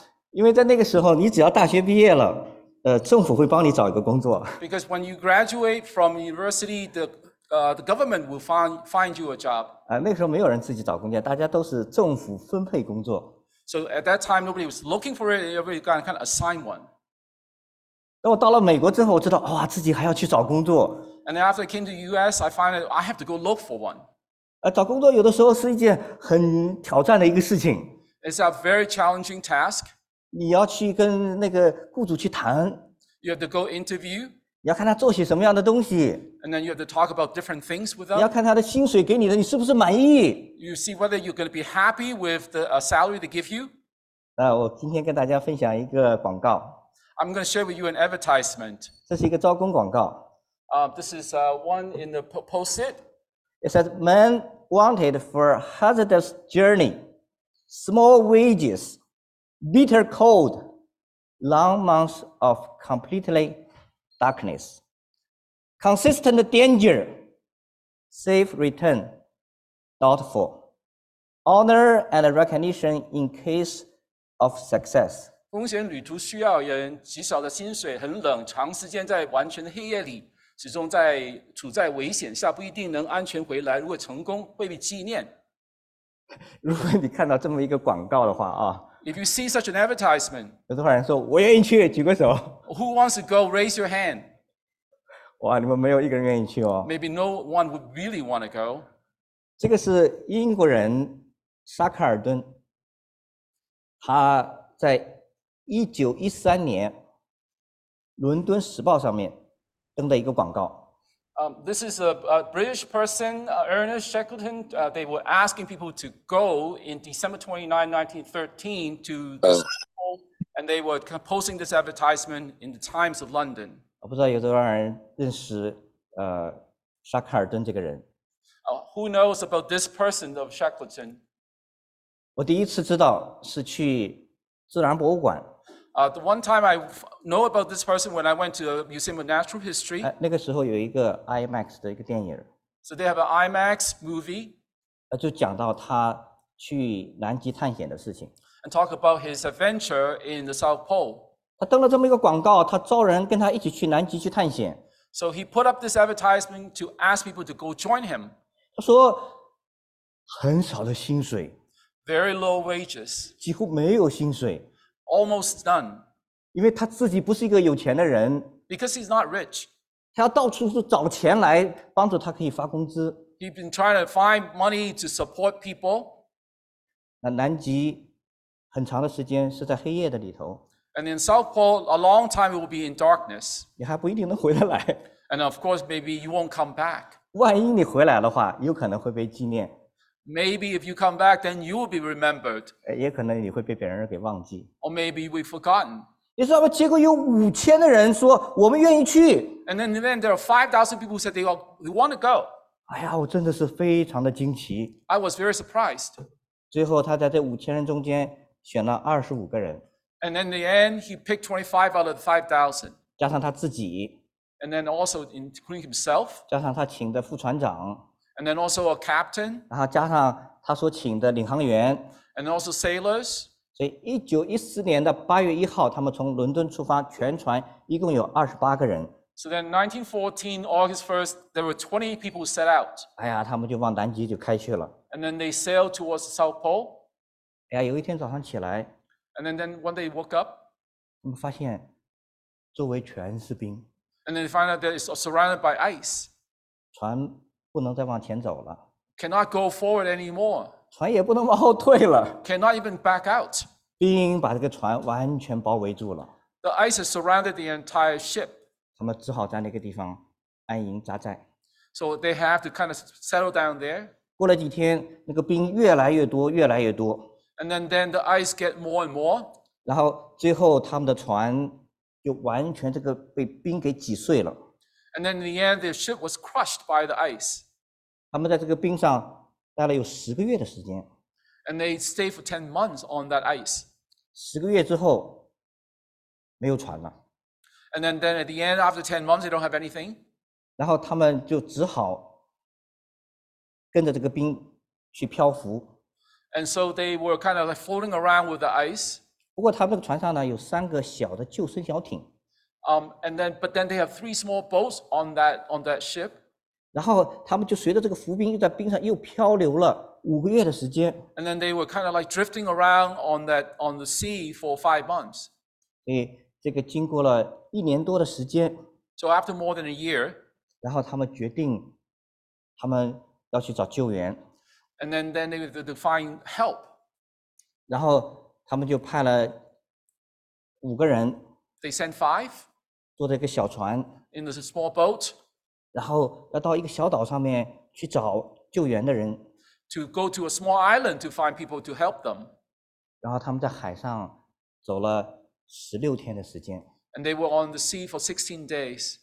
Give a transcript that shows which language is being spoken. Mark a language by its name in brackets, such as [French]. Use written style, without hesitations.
[Chinese] 因为在那个时候，你只要大学毕业了，政府会帮你找一个工作。 [English] Because when you graduate from university, the government will find you a job. [Chinese] 那个时候没有人自己找工作，大家都是政府分配工作。 [English] So at that time, nobody was looking for it. Everybody got kind of assigned one. [Chinese] 等我到了美国之后，我知道，哇，自己还要去找工作。 [English] And then after I came to the U.S., I find that I have to go look for one. [Chinese] 找工作有的时候是一件很挑战的一个事情。 [English] It's a very challenging task. [Chinese] 你要去跟那个雇主去谈。 [English] You have to go interview. [Chinese] 你要看他做些什么样的东西。 [English] And then you have to talk about different things with them. [Chinese] 你要看他的薪水给你的，你是不是满意？ [English] You see whether you're going to be happy with the salary they give you. [Chinese] 那我今天跟大家分享一个广告。 [English] I'm going to share with you an advertisement. [Chinese] 这是一个招工广告。 [English] This is one in the post-it. It says, "Man wanted for hazardous journey, small wages, bitter cold, long months of completely darkness, consistent danger, safe return." Doubtful. Honor and recognition in case of success. [Chinese] 风险旅途需要人极少的薪水，很冷，长时间在完全的黑夜里，始终在处在危险下，不一定能安全回来。如果成功，会被纪念。如果你看到这么一个广告的话啊 [English] ，If you see such an advertisement， [Chinese] 有多少人说我愿意去？举个手。 [English] Who wants to go? Raise your hand. [Chinese] 哇，你们没有一个人愿意去哦。 [English] Maybe no one would really want to go. [Chinese] 这个是英国人沙克尔顿，他在1913年伦敦时报上面登的一个广告。 [English] This is a British person, Ernest Shackleton. They were asking people to go in December 29, 1913 to the school, and they were posting this advertisement in the Times of London. [Chinese] 我不知道有多少人认识沙克尔顿这个人。 [English] Who knows about this person of Shackleton? [Chinese] 我第一次知道是去自然博物馆。 [English] The one time I know about this person when I went to the Museum of Natural History. [Chinese] 那个时候有一个 IMAX 的一个电影。 [English] So they have an IMAX movie. [Chinese] 就讲到他去南极探险的事情。 [English] And talk about his adventure in the South Pole. [Chinese] 他登了这么一个广告，他招人跟他一起去南极去探险。 [English] So he put up this advertisement to ask people to go join him. [Chinese] 他说很少的薪水 [English] ，very low wages， [Chinese] 几乎没有薪水 [English] ，almost none， [Chinese] 因为他自己不是一个有钱的人 [English] ，because he's not rich， [Chinese] 他要到处去找钱来帮助他可以发工资 [English] ，he's been trying to find money to support people。 [Chinese] 那南极很长的时间是在黑夜的里头 [English] ，and in South Pole a long time it will be in darkness， [Chinese] 你还不一定能回得来 [English] ，and of course maybe you won't come back。 [Chinese] 万一你回来的话，有可能会被纪念。 [English] Maybe if you come back, then you will be remembered. [Chinese] 也可能你会被别人给忘记。 [English] Or maybe we've forgotten. [Chinese] 你知道吗？结果有5000的人说我们愿意去。 [English] And then there are 5,000 people who said they want to go. [Chinese] 哎呀，我真的是非常的惊奇。 [English] I was very surprised. [Chinese] 最后他在这5000人中间选了25个人。 [English] And in the end, he picked 25 out of the 5,000. [Chinese] 加上他自己。 [English] And then also including himself. [Chinese] 加上他请的副船长。 [English] And then also a captain. [Chinese] 然后加上他所请的领航员。 [English] And also sailors. [Chinese] 所以1914年的8月1号，他们从伦敦出发，全船一共有28个人。 [English] So then 1914, August 1st, there were 20 people who set out. [Chinese] 哎呀，他们就往南极就开去了。 [English] And then they sailed towards the South Pole. [Chinese] 哎呀，有一天早上起来。 [English] And then when they woke up, [Chinese] 他们发现周围全是冰。 [English] And then they find out that it's surrounded by ice. [Chinese] 船不能再往前走了。 [English] Cannot go forward anymore. [Chinese] 船也不能往后退了。 [English] Cannot even back out. [Chinese] 冰把这个船完全包围住了。 [English] The ice has surrounded the entire ship. [Chinese] 他们只好在那个地方安营扎寨。 [English] So they have to kind of settle down there. [Chinese] 过了几天，那个冰越来越多，越来越多。 [English] And then the ice get more and more. [Chinese] 然后最后他们的船就完全这个被冰给挤碎了。 [English] And then in the end, the ship was crushed by the ice. [Chinese] 他们在这个冰上待了有十个月的时间。 [English] And they stayed for 10 months on that ice. [Chinese] 十个月之后，没有船了。 [English] And then at the end, after 10 months, they don't have anything. [Chinese] 然后他们就只好跟着这个冰去漂浮。 [English] And so they were kind of like floating around with the ice. [Chinese] 不过他们的船上呢有三个小的救生小艇。 [English] But then they have three small boats on that ship. [Chinese] 然后他们就随着这个浮冰又在冰上又漂流了五个月的时间。 [English] And then they were kind of like drifting around on the sea for 5 months. [Chinese] 对。这个经过了一年多的时间 [English] ，So after more than a year， [Chinese] 然后他们决定，他们要去找救援 [English] ，And then they were to find help， [Chinese] 然后他们就派了五个人 [English] ，They sent five， [Chinese] 坐着一个小船 [English] ，In a small boat， [Chinese] 然后要到一个小岛上面去找救援的人 [English] ，To go to a small island to find people to help them， [Chinese] 然后他们在海上走了。十六天的时间 [English] ，and they were on the sea for 16 days.